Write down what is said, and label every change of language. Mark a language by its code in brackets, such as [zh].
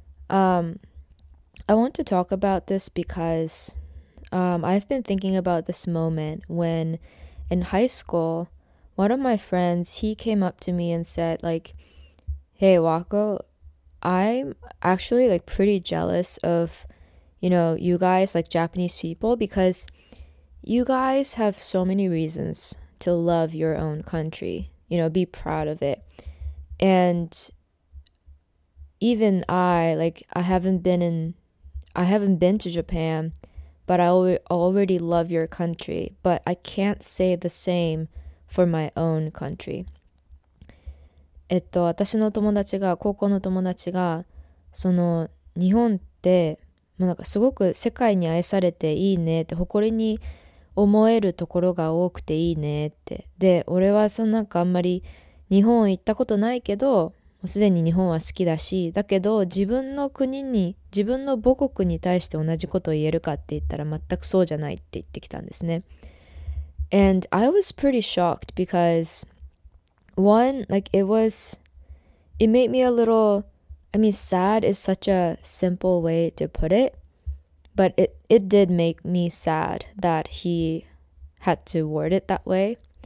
[en] I want to talk about this because I've been thinking about this moment when in high school, one of my friends, he came up to me and said like,Hey, Wako, I'm actually like pretty jealous of, you know, you guys, like Japanese people, because you guys have so many reasons to love your own country, you know, be proud of it. And even I haven't been to Japan, but I already love your country, but I can't say the same for my own country. [ja] 私の友達が、高校の友達が、その日本って、まあ、なんかすごく世界に愛されていいねって、誇りに思えるところが多くていいねって、で俺はそんなんかあんまり日本行ったことないけど、もうすでに日本は好きだし、だけど自分の国に、自分の母国に対して同じことを言えるかって言ったら全くそうじゃないって言ってきたんですね。 [en] And I was pretty shocked becauseOne, like, it made me a little, I mean, sad is such a simple way to put it, but it did make me sad that he had to word it that way.